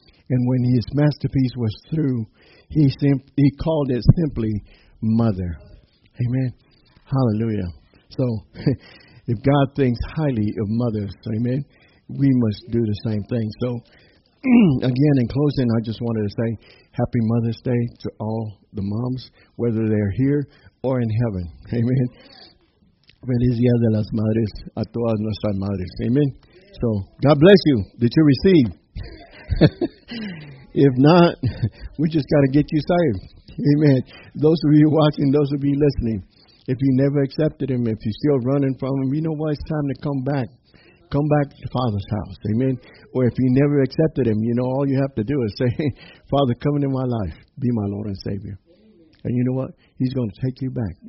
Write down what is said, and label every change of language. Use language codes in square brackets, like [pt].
[en] And when his masterpiece was through, he called it simply Mother. Amen. Hallelujah. So, if God thinks highly of mothers, amen, we must do the same thing. So, again, in closing, I just wanted to say Happy Mother's Day to all the moms, whether they're here or in heaven. Amen. [es] Feliz día de las madres a todas nuestras madres. [en] Amen. So, God bless you. Did you receive? If not, we just got to get you saved. Amen. Those of you watching, those of you listening, if you never accepted him, if you're still running from him, you know what? It's time to come back. Come back to Father's house. Amen. Or if you never accepted him, you know, all you have to do is say, Father, come into my life. Be my Lord and Savior. And you know what? He's going to take you back.